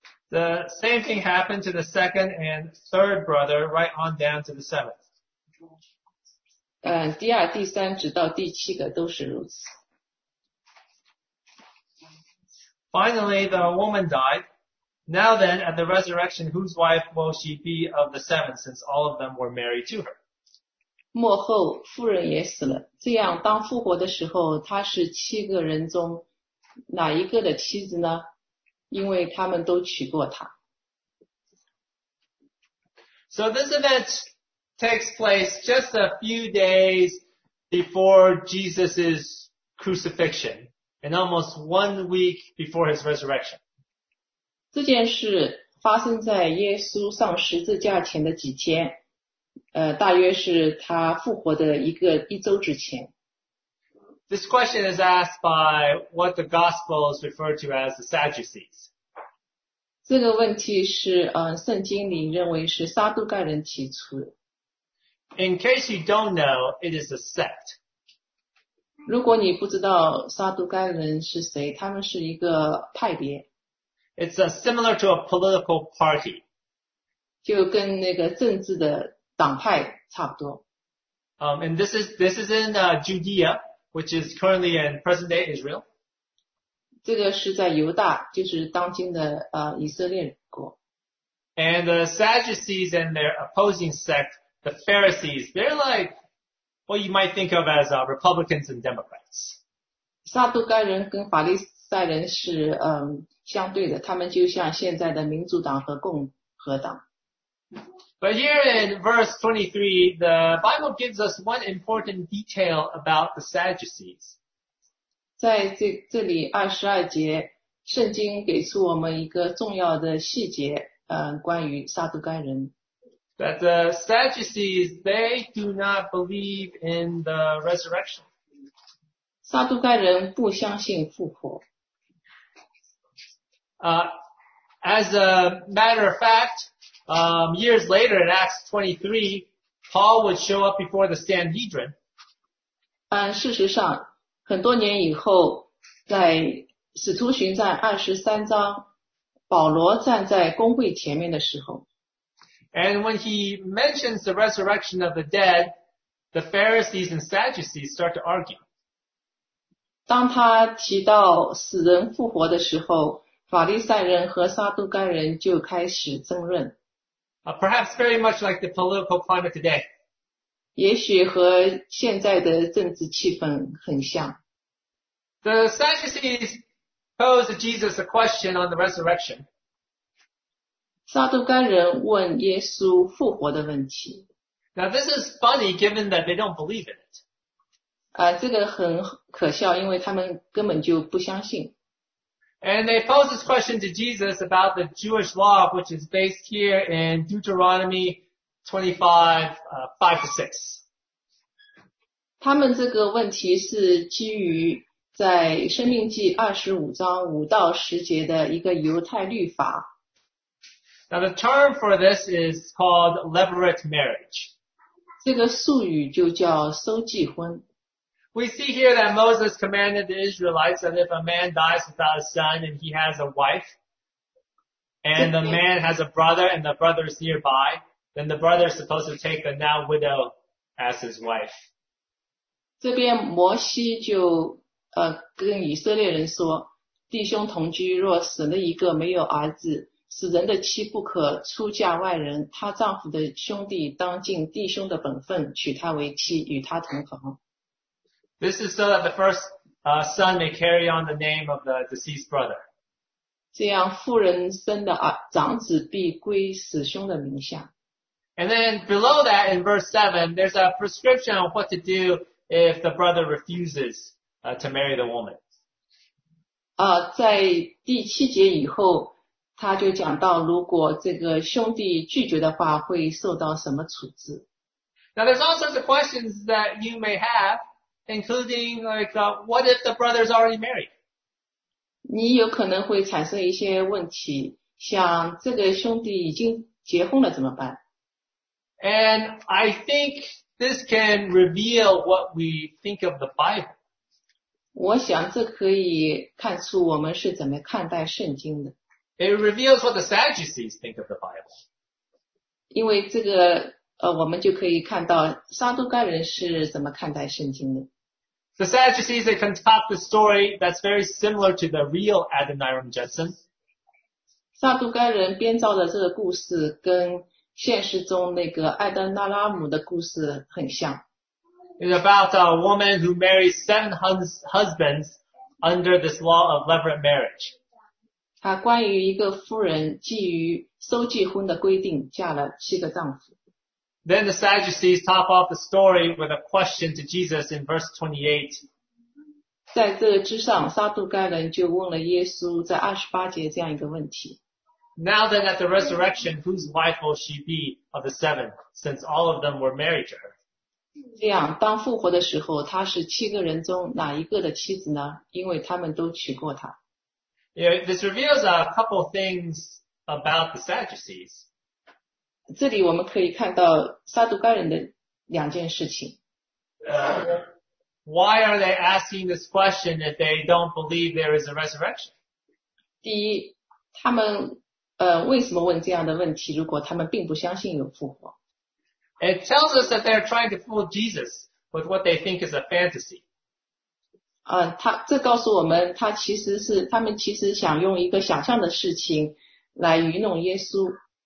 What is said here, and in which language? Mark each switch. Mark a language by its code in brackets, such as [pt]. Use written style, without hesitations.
[en] The same thing happened to the second and third brother right on down to the seventh. [zh] 第二第三直到第七个都是如此。 [en] Finally, the woman died. Now then, at the resurrection, whose wife will she be of the seven, since all of them were married to her? [zh] 末后妇人也死了，这样当复活的时候，她是七个人中哪一个的妻子呢？因为他们都娶过她。 [en] So this event takes place just a few days before Jesus' crucifixion and almost 1 week before his resurrection. [zh] 这件事发生在耶稣上十字架前的几天，大约是他复活的一周之前。 [en] This question is asked by what the Gospels refer to as the Sadducees. [zh] 这个问题是圣经里认为是撒都该人提出的。 [en] in case you don't know, it is a sect. [zh] 如果你不知道撒都该人是谁，他们是一个派别。 [en] It's similar to a political party. [zh] 就跟那个政治的党派差不多。 [en] And this is in Judea, which is currently in present day Israel. [zh] 这个是在犹大，就是当今的以色列国。 [en] And the Sadducees and their opposing sect, the Pharisees, they're like what you might think of as Republicans and Democrats. [zh] 撒都该人跟法利赛人是相对的，他们就像现在的民主党和共和党。 [en] But here in verse 23, the Bible gives us one important detail about the Sadducees. [zh] 在这里22节，圣经给出我们一个重要的细节，关于撒都该人。 [en] That the Sadducees, they do not believe in the resurrection. [zh] 撒都该人不相信复活。 [en] As a matter of fact, years later in Acts 23, Paul would show up before the Sanhedrin. [zh] 事实上，很多年以后，在使徒行传23章，保罗站在公会前面的时候。 [en] And when he mentions the resurrection of the dead, the Pharisees and Sadducees start to argue. [zh] 当他提到死人复活的时候，法利赛人和撒都该人就开始争论。 [en] Perhaps very much like the political climate today. [zh] 也许和现在的政治气氛很像。 [en] The Sadducees posed Jesus a question on the resurrection. [zh] 撒都该人问耶稣复活的问题。 [en] Now this is funny given that they don't believe in it. [zh] 这个很可笑，因为他们根本就不相信。 [en] And they pose this question to Jesus about the Jewish law, which is based here in Deuteronomy 25:5-6. [zh] 他们这个问题是基于在《生命记》25章5到10节的一个犹太律法。 [en] Now the term for this is called levirate marriage. [zh] 这个术语就叫收祭婚。 [en] We see here that Moses commanded the Israelites that if a man dies without a son and he has a wife, and the man has a brother and the brother is nearby, then the brother is supposed to take the now widow as his wife. [zh] 这边摩西就跟以色列人说，弟兄同居若死了一个没有儿子，死人的妻不可出嫁外人，她丈夫的兄弟当尽弟兄的本分，娶她为妻，与她同房。 [en] This is so that the first son may carry on the name of the deceased brother. [zh] 这样妇人生的长子必归死兄的名下。 [en] And then below that in verse 7, there's a prescription on what to do if the brother refuses to marry the woman. [zh] 在第七节以后，他就讲到如果这个兄弟拒绝的话，会受到什么处置。 [en] Now there's all sorts of questions that you may have. Including, what if the brother is already married? [zh] 你有可能会产生一些问题，像这个兄弟已经结婚了怎么办？ [en] And I think this can reveal what we think of the Bible. [zh] 我想这可以看出我们是怎么看待圣经的。 [en] It reveals what the Sadducees think of the Bible. [zh] 因为这个我们就可以看到撒都该人是怎么看待圣经的。 [en] The Sadducees, they concoct a story that's very similar to the real Adoniram Judson. [zh] 撒都该人编造的这个故事跟现实中那个艾德纳拉姆的故事很像。 [en] It's about a woman who marries 7 husbands under this law of levirate marriage. [zh] 她关于一个妇人基于收祭婚的规定嫁了七个丈夫。 [en] Then the Sadducees top off the story with a question to Jesus in verse 28. [zh] 在这之上，撒都该人就问了耶稣在二十八节这样一个问题。 [en] Now then at the resurrection, whose wife will she be of the seven, since all of them were married to her? [zh] 这样，当复活的时候，她是七个人中哪一个的妻子呢？因为他们都娶过她。 [en] Yeah, this reveals a couple things about the Sadducees. [zh] 这里我们可以看到撒都该人的两件事情。 [en] Why are they asking this question if they don't believe there is a resurrection? [zh] 第一，他们为什么问这样的问题？如果他们并不相信有复活。 [en] It tells us that they're trying to fool Jesus with what they think is a fantasy. [zh] 这告诉我们，他们其实想用一个想象的事情来愚弄耶稣。